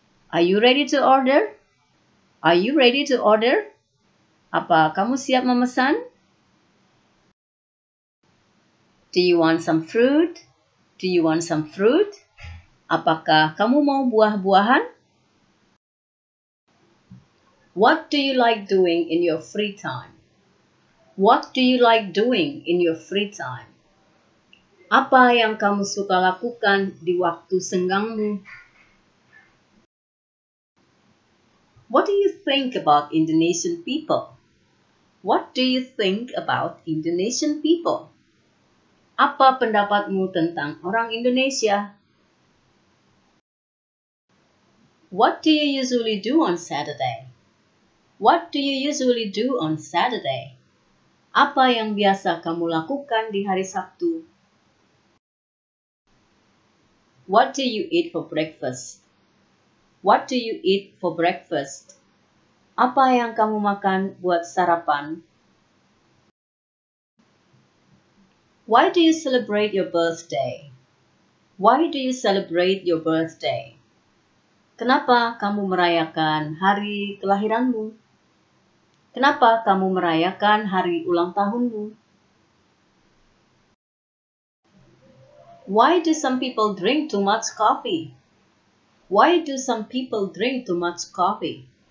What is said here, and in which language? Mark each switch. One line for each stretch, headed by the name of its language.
English: Are you ready to order? Are you ready to order?
Indonesian: Apa kamu siap memesan?
English: Do you want some fruit? Do you want some fruit?
Indonesian: Apakah kamu mau buah-buahan?
English: What do you like doing in your free time? What do you like doing in your free time?
Indonesian: Apa yang kamu suka lakukan di waktu senggangmu?
English: What do you think about Indonesian people? What do you think about Indonesian people?
Indonesian: Apa pendapatmu tentang orang Indonesia?
English: What do you usually do on Saturday? What do you usually do on Saturday?
Indonesian: Apa yang biasa kamu lakukan di hari Sabtu?
English: What do you eat for breakfast? What do you eat for breakfast?
Indonesian: Apa yang kamu makan buat sarapan?
English: Why do you celebrate your birthday? Why do you celebrate your birthday?
Indonesian: Kenapa kamu merayakan hari kelahiranmu? Kenapa kamu merayakan hari ulang tahunmu?
English: Why do some people drink too much coffee? Why do some people drink too much coffee?